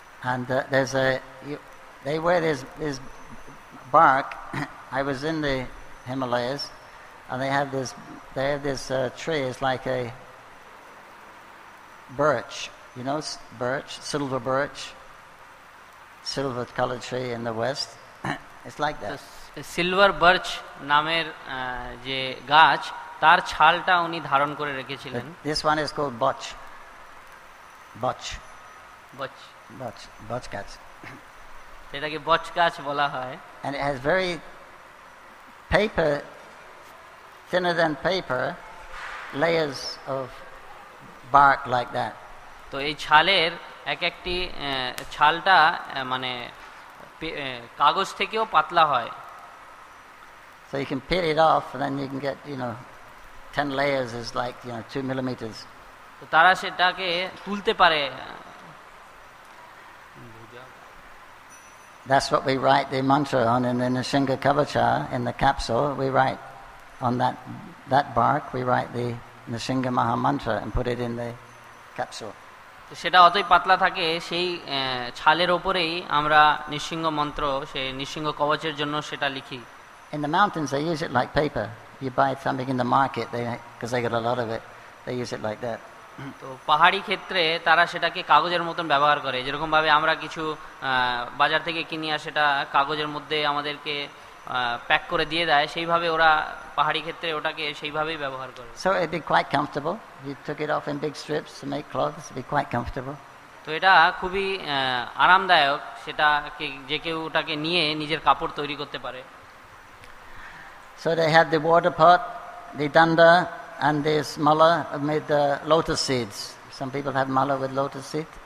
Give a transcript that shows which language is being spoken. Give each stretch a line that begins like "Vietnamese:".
English: And there's a they wear this bark. I was in the Himalayas and they have this tree. It's like a birch, you know, silver colored tree in the west. It's like that.
Bangla: Silver birch নামের যে গাছ, তার ছালটা উনি ধারণ করে রেখেছিলেন।
English: This one is called boch. Boch. Boch. Boch. Boch gach.
Bangla: এটাকে বচ গাছ বলা হয়।
English: And it has very paper, thinner than paper, layers of bark like that.
Bangla: তো এই ছালের এক একটি ছালটা মানে কাগজ থেকেও পাতলা হয়।
English: So you can peel it off and then you can get, you know, 10 layers is like, you know, 2 millimeters.
Bangla: তো তারা সেটাকে তুলতে পারে।
English: That's what we write the mantra on in the Nisinga Kavacha, in the capsule. We write on that bark, we write the Nisinga Maha Mantra and put it in the capsule.
Bangla: তো সেটা অতই পাতলা থাকে, সেই ছালের উপরেই আমরা নিসিংহ মন্ত্র, সেই নিসিংহ কবচের জন্য সেটা লিখি।
English: In the mountains they use it like paper. You buy something in the market, because they got a lot of it, they use it like that.
Bangla: তো পাহাড়ি ক্ষেত্রে তারা সেটাকে কাগজের মতন ব্যবহার করে, যেরকম ভাবে আমরা কিছু বাজার থেকে কিনি আর সেটা কাগজের মধ্যে আমাদেরকে প্যাক করে দিয়ে দেয়, সেইভাবে ওরা পাহাড়ি ক্ষেত্রে ওটাকে সেইভাবেই ব্যবহার করে।
English: So it'd be quite comfortable. You took it off in big strips to make clothes, it'd be quite comfortable.
Bangla: তো এটা খুবই আরামদায়ক, সেটাকে যে কেউ ওটাকে নিয়ে নিজের কাপড় তৈরি করতে পারে।
English: So they had the water pot, the danda, and this mala made the lotus seeds. Some people have mala with lotus seed.